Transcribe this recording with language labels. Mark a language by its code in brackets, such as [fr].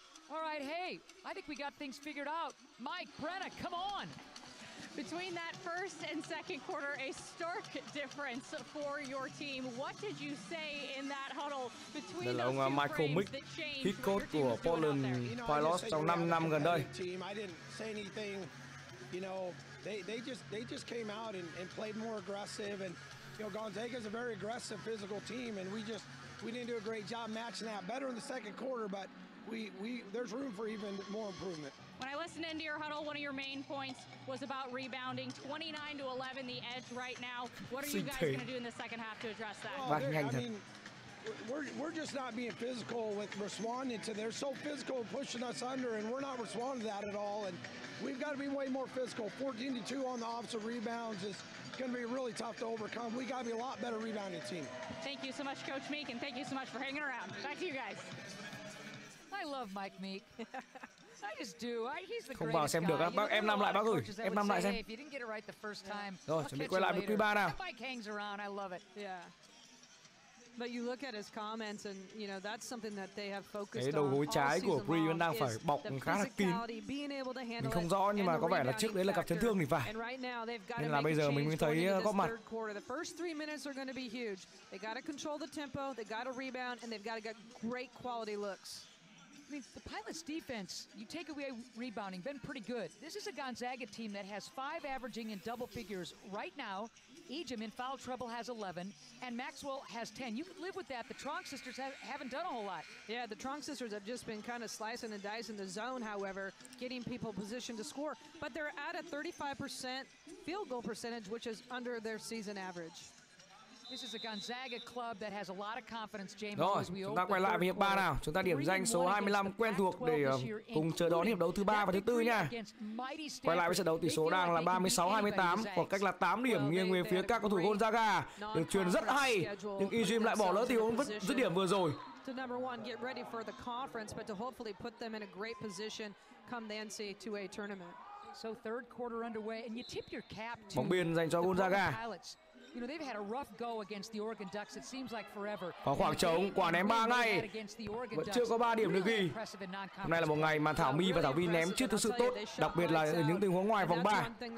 [en] All right, hey, I think we got things figured out. Mike, Brenna, come on. Between that first and second quarter, a stark difference for your team. What did you say in that huddle between those two frames that changed what your team was doing out there? [vi] Head coach của Portland Pilots trong 5 năm gần đây. [en] I didn't say anything, you know, they just came out and played more aggressive. And, you know, Gonzaga is a very aggressive physical team, and we didn't do a great job matching that. Better in the second quarter, but we there's room for even more improvement. When I listened into your huddle, one of your main points was about rebounding. 29 to 11, the edge right now. What are you guys going to do in the second half to address that? Well, I mean, we're just not being physical with responding to. They're so physical pushing us under, and we're not responding to that at all. And we've got to be way more physical. 14 to 2 on the offensive rebounds is going to be really tough to overcome. We got to be a lot better rebounding team. Thank you so much, Coach Meek, and thank you so much for hanging around. Back to you guys. I love Mike Meek. I just do. He's the [vi] không bảo xem [en] guy. [vi] Được bác, em nằm lại bác ơi. Em nằm lại xem. [en] If you didn't get it right the first time, yeah. [vi] Rồi, chuẩn bị quay lại với quý ba nào. [en] Mike hangs around. I love it. Yeah. But you look at his comments and you know that's something that they have focused on. [vi] Cái đầu gối trái của Brian đang phải bọc khá là kín. Mình không rõ nhưng mà có vẻ là trước đấy là gặp chấn thương thì phải. [en] Right now, [vi] nên là bây giờ mình mới thấy có mặt. [en] The first 3 minutes are going to be huge. They got to control the tempo, they got to rebound and they've got to get great quality looks. I mean, the Pilots' defense, you take away rebounding, been pretty good. This is a Gonzaga team that has 5 averaging in double figures right now. Ejim in foul trouble has 11, and Maxwell has 10. You could live with that. The Tronc sisters haven't done a whole lot. Yeah, the Tronc sisters have just been kind of slicing and dicing the zone, however, getting people positioned to score. But they're at a 35% field goal percentage, which is under their season average. This is a Gonzaga club that has a lot of confidence, James. [vi] Rồi, chúng ta quay lại với hiệp 3 nào. Chúng ta điểm danh số 25 quen thuộc để cùng chờ đón hiệp đấu thứ 3 và thứ 4 nha. Quay lại với trận đấu tỷ số đang là 36-28, khoảng cách là 8 điểm nghiêng về phía các cầu thủ Gonzaga. Được truyền rất hay, nhưng Ejim lại bỏ lỡ tình huống dứt điểm vừa rồi. [en] To number one, get ready for the conference, but to hopefully put them in a great position come the NCAA tournament. So third quarter underway, and you tip your cap to [vi] bóng biên dành cho Gonzaga. [en] You know they've had a rough go against the Oregon Ducks. It seems like forever. [vi] Có khoảng trống, quả ném 3 ngay. Vẫn chưa có 3 điểm được ghi. Hôm nay là một ngày mà Thảo My và Thảo Vy ném chưa thực sự tốt, đặc biệt là ở những tình huống ngoài vòng 3.